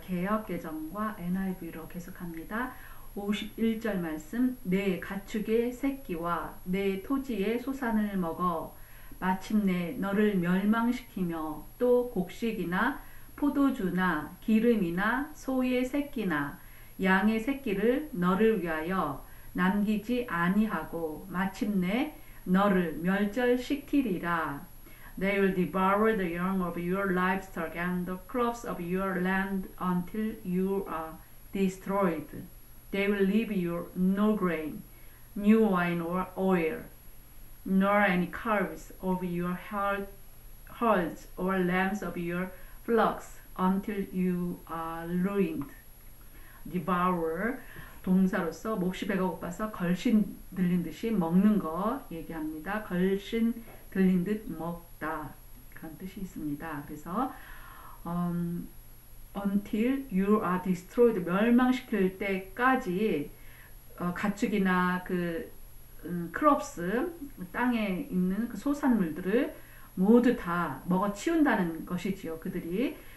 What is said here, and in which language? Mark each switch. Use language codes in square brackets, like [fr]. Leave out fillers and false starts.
[ko] 개혁개정과 NIV로 계속합니다. 51절 말씀, 내 가축의 새끼와 내 토지의 소산을 먹어 마침내 너를 멸망시키며 또 곡식이나 포도주나 기름이나 소의 새끼나 양의 새끼를 너를 위하여 남기지 아니하고 마침내 너를 멸절시키리라. [en] They will devour the young of your livestock and the crops of your land until you are destroyed. They will leave you no grain, new wine or oil, nor any calves of your herds or lambs of your flocks until you are ruined. Devour. [ko] 동사로서 몹시 배가 고파서 걸신 들린 듯이 먹는 거 얘기합니다. 걸신 들린 듯 먹다. 그런 뜻이 있습니다. 그래서 [en] until you are destroyed, [ko] 멸망시킬 때까지 가축이나 그 crops, 땅에 있는 그 소산물들을 모두 다 먹어치운다는 것이지요. 그들이.